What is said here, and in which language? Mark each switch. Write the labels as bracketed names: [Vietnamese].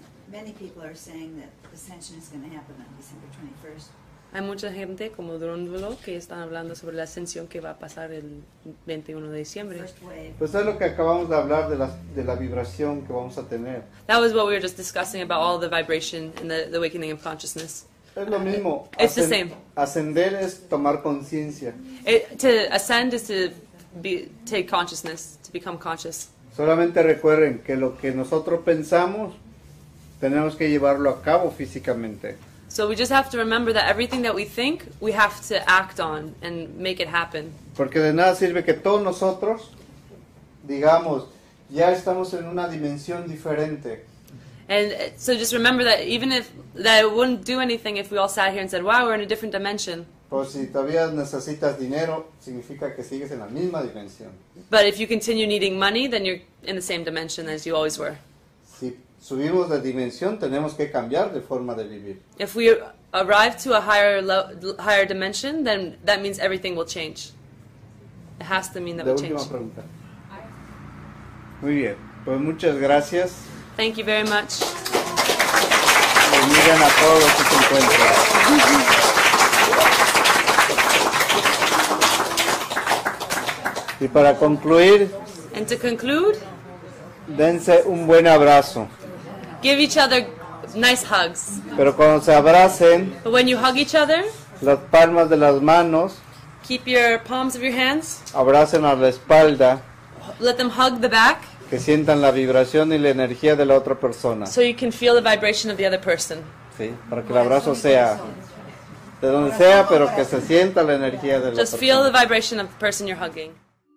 [English] Many people are saying that ascension is going to happen on December 21st. [Spanish] Hay mucha gente como Drondulo que están hablando sobre la ascensión que va a pasar el 21 de diciembre. Pues es lo que acabamos de hablar de la vibración que vamos a tener. [English] That was what we were just discussing about all the vibration and the awakening of consciousness. [Spanish] Es lo mismo. [English] It's the same. [Spanish] Ascender es tomar conciencia. [English] To ascend is to take consciousness, to become conscious. [Spanish] Solamente recuerden que lo que nosotros pensamos tenemos que llevarlo a cabo físicamente. [English] So we just have to remember that everything that we think, we have to act on and make it happen. [Spanish] Porque de nada sirve que todos nosotros digamos, ya estamos en una dimensión diferente. [English] And so just remember that even if, that it wouldn't do anything if we all sat here and said, wow, we're in a different dimension. [Spanish] Pues si todavía necesitas dinero, significa que sigues en la misma dimensión. [English] But if you continue needing money, then you're in the same dimension as you always were. [Spanish] Sí. Subimos de dimensión, tenemos que cambiar de forma de vivir. [English] If we arrive to a higher dimension, then that means everything will change. It has to mean that we change. [Spanish] La última pregunta. Muy bien. Pues muchas gracias. [English] Thank you very much. [Spanish] Bienvenidos a todos los que se encuentran. Y para concluir. [English] And to conclude. [Spanish] Dense un buen abrazo. [English] Give each other nice hugs. [Spanish] Pero cuando se abracen, [English] but when you hug each other, [Spanish] las palmas de las manos, [English] keep your palms of your hands, [Spanish] abracen a la espalda, [English] let them hug the back, [Spanish] que sientan la vibración y la energía de la otra persona. [English] So you can feel the vibration of the other person. [Spanish] Sí, para que el abrazo sea de donde sea, pero que se sienta la energía de la otra persona. [English] Just feel the vibration of the person you're hugging.